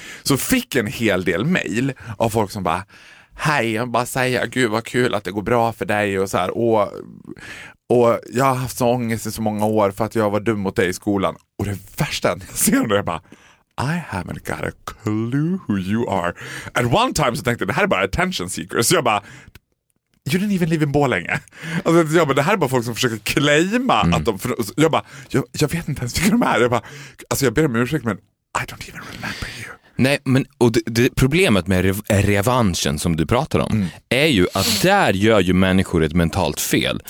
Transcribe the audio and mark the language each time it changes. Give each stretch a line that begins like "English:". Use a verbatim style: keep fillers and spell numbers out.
Swedish: Så fick en hel del mejl av folk som bara hej, jag bara säger gud vad kul att det går bra för dig och så här, och, och jag har haft så ångest i så många år för att jag var dum mot dig i skolan. Och det värsta jag ser då, jag bara
English: I haven't got a clue who you are. And one time
Swedish: så tänkte jag, det här är bara
English: attention seekers.
Swedish: Så jag bara
English: you didn't even live in Borlänge.
Swedish: Alltså, jag bara, det här är bara folk som försöker claima mm. att de, för, jag bara, jag, jag vet inte ens vilka de är. Jag bara, alltså jag ber om ursäkt men
English: I don't even remember you.
Swedish: Nej, men och det, det problemet med rev, revanschen som du pratar om mm. är ju att där gör ju människor ett mentalt fel.